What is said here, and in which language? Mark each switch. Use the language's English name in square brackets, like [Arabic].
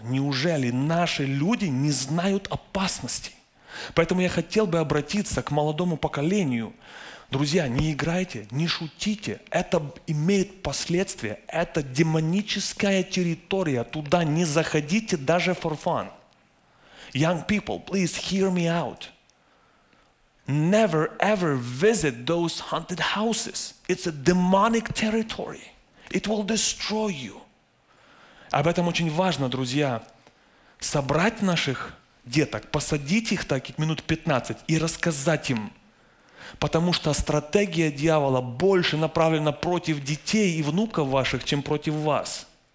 [Russian] Неужели наши люди не знают опасности? Поэтому я хотел бы обратиться к молодому поколению. Друзья, не играйте, не шутите. Это имеет последствия. Это демоническая территория. Туда не заходите даже [English] for fun. Young people, please hear me out. Never ever visit those haunted houses. It's a demonic territory. It will destroy you. [Russian] Об этом очень важно, друзья, собрать наших деток, посадить их так минут 15 и рассказать им. Потому что стратегия дьявола больше направлена против детей и внуков ваших, чем против вас.